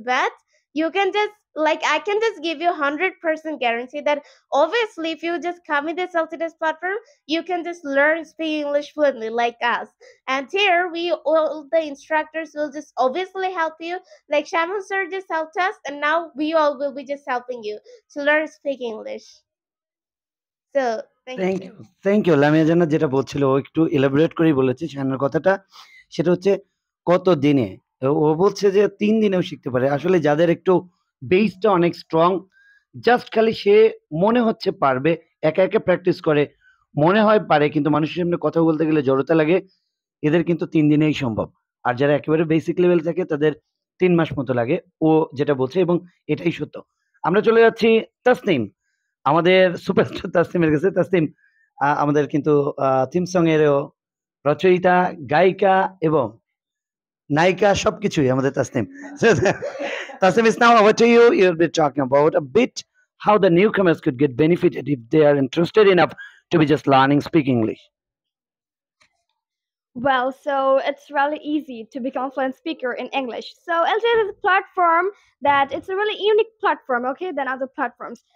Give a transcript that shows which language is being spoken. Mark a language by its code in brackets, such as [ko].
[en] But you can just, like I can just give you 100% guarantee that obviously if you just come in this LTS platform, you can just learn speak English fluently like us. And here we, all the instructors will just obviously help you. Like Shaman sir just helped us, and now we all will be just helping you to learn speak English. So Thank you. [bn] Lamia জান্নাত যেটা বলছিল ও একটু elaborate করেই বলেছে শানের কথাটা, সেটা হচ্ছে কত দিনে। ও বলছে যে 3 দিনেও শিখতে পারে। আসলে যাদের একটু বেসটা অনেক স্ট্রং, জাস্ট খালি সে মনে হচ্ছে পারবে, একা একা প্র্যাকটিস করে মনে হয় পারে, কিন্তু মানুষের সামনে কথা বলতে গেলে জড়তা লাগে, এদের কিন্তু 3 দিনেই সম্ভব। আর যারা একেবারে বেসিক লেভেল থাকে তাদের 3 মাস মতো লাগে, ও যেটা বলছে এবং এটাই সত্য। আমরা চলে যাচ্ছি তাসনিম, আমাদের সুপারস্টার তাসনিমের কাছে। তাসনিম, আমাদের কিন্তু থিম সং এরও রচয়িতা, গায়িকা এবং নায়িকা সবকিছুই আমাদের Tasnim. Tasnim, [en] Is now over to you. You will be talking about a bit how the newcomers could get benefited if they are interested enough to be just learning speak English? Well, so it's really easy to become fluent speaker in English. So LJ is a platform that it's a really unique platform, okay, than other platforms.